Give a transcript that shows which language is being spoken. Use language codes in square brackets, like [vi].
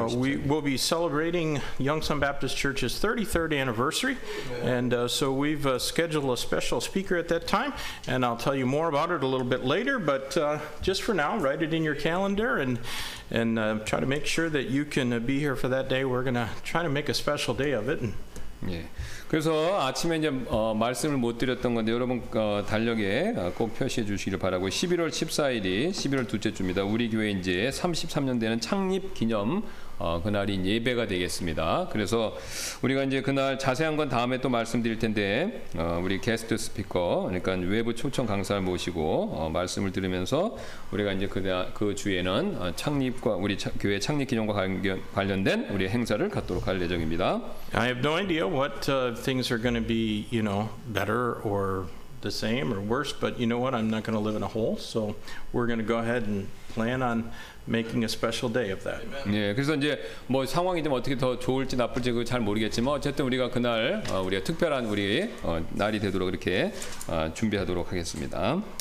[en] We will be celebrating Yongsan Baptist Church's 33rd anniversary. And so we've scheduled a special speaker at that time. And I'll tell you more about it a little bit later. But just for now, write it in your calendar and try to make sure that you can be here for that day. We're going to try to make a special day of it. Yeah. [ko] 그래서 아침에 이제 말씀을 못 드렸던 건데 여러분 달력에 꼭 표시해 주시기 바라고 11월 14일이 11월 둘째 주입니다. 우리 교회 이제 33년 되는 창립 기념 그날이 예배가 되겠습니다. 그래서 우리가 이제 그날 자세한 건 다음에 또 말씀드릴 텐데 우리 게스트 스피커 그러니까 외부 초청 강사를 모시고 말씀을 들으면서 우리가 이제 그 주에는 창립과 우리 교회 창립 기념과 관련된 우리 행사를 갖도록 할 예정입니다. [en] I have no idea what things are going to be, you know, better or the same or worse, but you know what? I'm not going to live in a hole, so we're going to go ahead and plan on making a special day of that. [ko] 예, 그래서 이제 뭐 상황이 좀 어떻게 더 좋을지 나쁠지 그 잘 모르겠지만 어쨌든 우리가 그날 우리가 특별한 우리 날이 되도록 이렇게 준비하도록 하겠습니다.